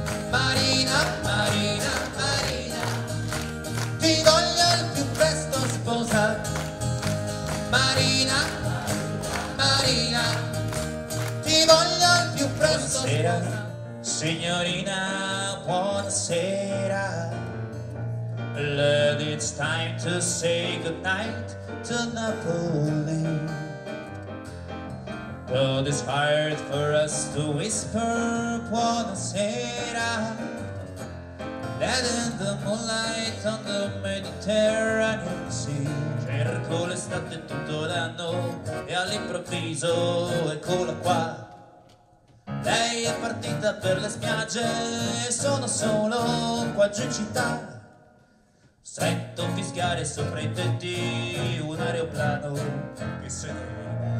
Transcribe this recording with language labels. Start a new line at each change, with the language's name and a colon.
Italian: Marina, Marina, Marina, ti voglio il più presto sposar. Marina, Marina, ti voglio il più presto sposar.
English: Signorina, buonasera. Lady, it's time to say goodnight to Napoli. Though it's hard for us to whisper buonasera, dead in the moonlight on the Mediterranean Sea.
Italian: Cerco l'estate tutto l'anno e all'improvviso eccola qua. Lei è partita per le spiagge e sono solo qua giù in città. Sento fischiare sopra i tetti un aeroplano che se ne va.